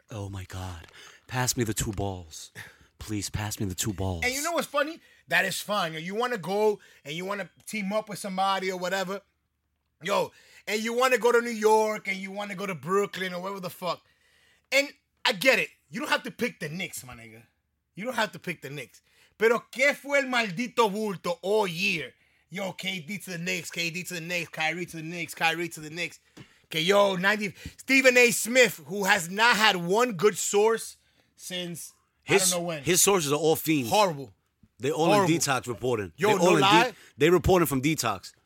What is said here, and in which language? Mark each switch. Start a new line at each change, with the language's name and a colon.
English: Oh my God. Pass me the two balls. Please, pass me the two balls. And you know what's funny? That is fun. You want to go and you want to team up with somebody or whatever. And you want to go to New York, and you want to go to Brooklyn, or wherever the fuck. And I get it. You don't have to pick the Knicks, my nigga. You don't have to pick the Knicks.
Spanish: Pero que fue el maldito bulto
English: all year? Yo, KD to the Knicks, KD to the Knicks, Kyrie to the Knicks, Kyrie to the Knicks. Okay, yo, 90. Stephen A. Smith, who has not had one good source since I don't know when. His sources are all fiends. Horrible. They all in detox reporting. Yo, they no lie. They reporting from detox.